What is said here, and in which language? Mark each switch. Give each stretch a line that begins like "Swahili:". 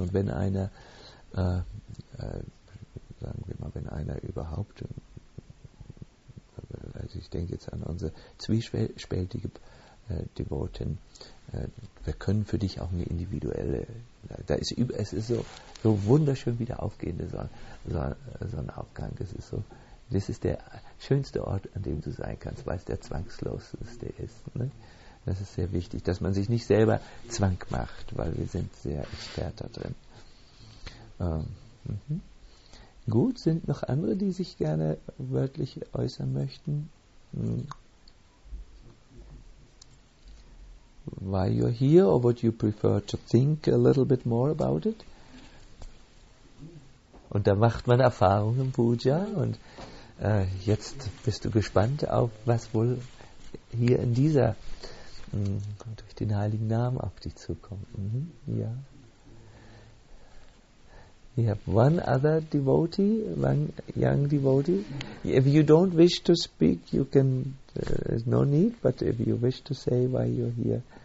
German: Und wenn einer, sagen wir mal, wenn einer überhaupt, also ich denke jetzt an unsere zwiespältige Devotin, wir können für dich auch eine individuelle, da ist es ist so wunderschön wie der aufgehende Sonnenaufgang, es ist so, das ist der schönste Ort, an dem du sein kannst, weil es der zwangsloseste ist, ne? Das ist sehr wichtig, dass man sich nicht selber Zwang macht, weil wir sind sehr expert da drin. Gut, sind noch andere, die sich gerne wörtlich äußern möchten?
English: Why you're here or would you prefer to think a little bit more about it?
German: Und da macht man Erfahrungen im Puja und jetzt bist du gespannt auf was wohl hier in dieser durch den heiligen Namen auf dich zukommt. Ja.
English: You have one other devotee, one young devotee. If you don't wish to speak, you can, there's no need, but if you wish to say why you're here.